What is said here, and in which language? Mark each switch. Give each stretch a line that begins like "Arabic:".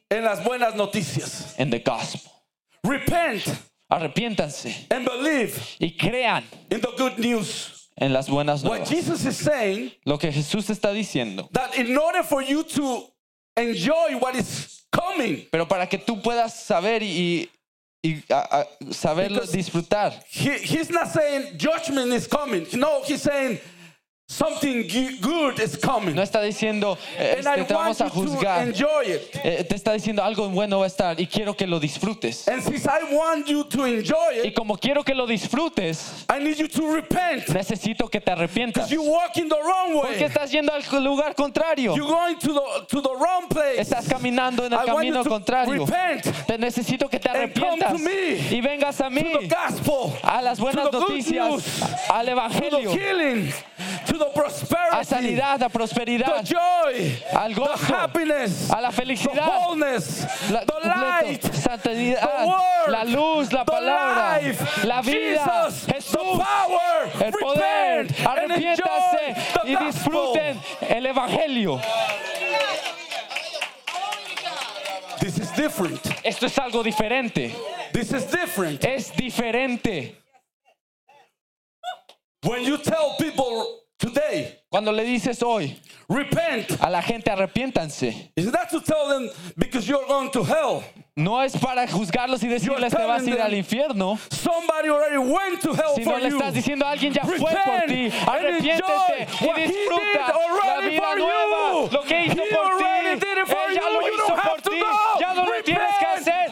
Spanish: En las buenas noticias.
English: In the gospel. Repent.
Spanish: Arrepiéntanse.
English: And believe.
Spanish: Y crean.
English: In the good news.
Spanish: en las buenas nuevas.
English: What Jesus is saying,
Spanish: lo que Jesús está diciendo,
English: that in order for you to enjoy what is coming,
Spanish: pero para que tú puedas saber y saberlo, disfrutar.
English: He's not saying judgment is coming. No, he's saying something good is coming.
Spanish: No está diciendo, te vamos a juzgar. Te está diciendo algo bueno va a estar y quiero que lo disfrutes.
English: And since I want you to enjoy it,
Spanish: y como quiero que lo disfrutes,
English: I need you to repent.
Spanish: Necesito que te arrepientas.
English: Because you're walking the wrong way.
Spanish: Porque estás yendo al lugar contrario.
English: You're going to the wrong place.
Spanish: Estás caminando en el camino contrario.
English: Repent.
Spanish: Te necesito que te arrepientas.
English: And come to me.
Spanish: Y vengas a mí.
English: To the gospel.
Spanish: A las buenas noticias. Al evangelio.
English: To the healing. To the prosperity,
Spanish: a sanidad, a prosperidad,
English: the joy,
Spanish: al gozo,
English: the happiness,
Spanish: a la felicidad,
English: the wholeness, the light,
Spanish: santidad,
English: the word,
Spanish: la luz, la
English: the
Spanish: palabra,
English: life,
Spanish: la vida,
English: Jesus,
Spanish: Jesús,
English: the power,
Spanish: el poder, arrepiéntase y disfruten el evangelio.
English: This is different.
Spanish: Esto es algo diferente.
English: This is different.
Spanish: Es diferente.
English: When you tell people today,
Spanish: cuando le dices hoy,
English: repent,
Spanish: a la gente arrepiéntanse.
English: Is that to tell them because you're going to hell?
Spanish: No es para juzgarlos y decirles que vas a ir al infierno.
English: Somebody already went to hell
Spanish: si
English: for
Spanish: no
English: you.
Spanish: Le estás diciendo a alguien ya fue por ti. Arrepiéntete y disfruta la vida nueva. Lo que hizo por ti. Él ya lo hizo por ti. Ya no lo tienes que hacer.